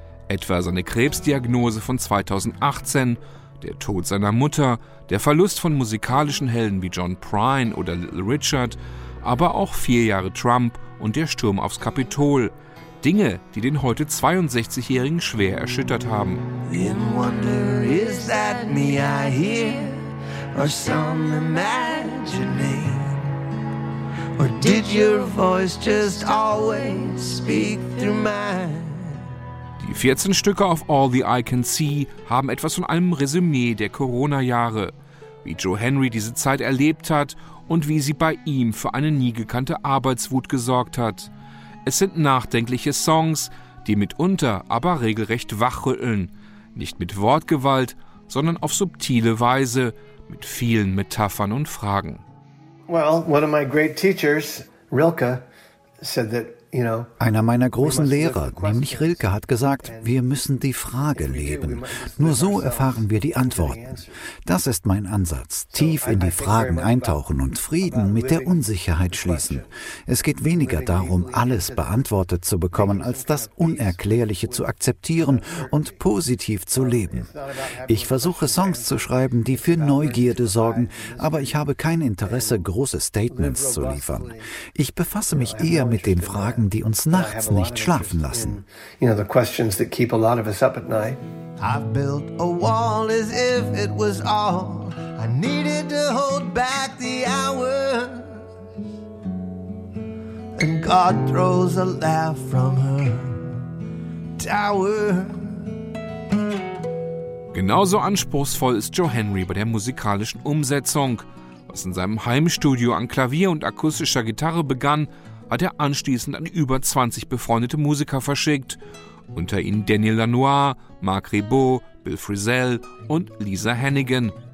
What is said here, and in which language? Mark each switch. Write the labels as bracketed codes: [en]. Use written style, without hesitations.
[de] Etwa seine Krebsdiagnose von 2018, der Tod seiner Mutter, der Verlust von musikalischen Helden wie John Prine oder Little Richard, aber auch 4 Jahre Trump und der Sturm aufs Kapitol. Dinge, die den heute 62-Jährigen schwer erschüttert haben. [en] In wonder is that me I hear, or some imagining? Or did your voice just always speak through mine? [de] Die 14 Stücke auf All the I Can See haben etwas von einem Resümee der Corona-Jahre. Wie Joe Henry diese Zeit erlebt hat und wie sie bei ihm für eine nie gekannte Arbeitswut gesorgt hat. Es sind nachdenkliche Songs, die mitunter aber regelrecht wachrütteln. Nicht mit Wortgewalt, sondern auf subtile Weise, mit vielen Metaphern und Fragen. [en] Well, one of my great teachers, Rilke, said that, you know, [de] einer meiner großen Lehrer, nämlich Rilke, hat gesagt, wir müssen die Frage leben. Nur so erfahren wir die Antworten. Das ist mein Ansatz. Tief in die Fragen eintauchen und Frieden mit der Unsicherheit schließen. Es geht weniger darum, alles beantwortet zu bekommen, als das Unerklärliche zu akzeptieren und positiv zu leben. Ich versuche, Songs zu schreiben, die für Neugierde sorgen, aber ich habe kein Interesse, große Statements zu liefern. Ich befasse mich eher mit den Fragen, die uns nachts nicht schlafen lassen. [en] You know, the questions that keep a lot of us up at night. I've built a wall as if it was all I needed to hold back the hours. And God throws a laugh from her tower. [de] Genauso anspruchsvoll ist Joe Henry bei der musikalischen Umsetzung. Was in seinem Heimstudio an Klavier und akustischer Gitarre begann, hat er anschließend an über 20 befreundete Musiker verschickt, unter ihnen Daniel Lanois, Marc Ribot, Bill Frisell und Lisa Hennigan.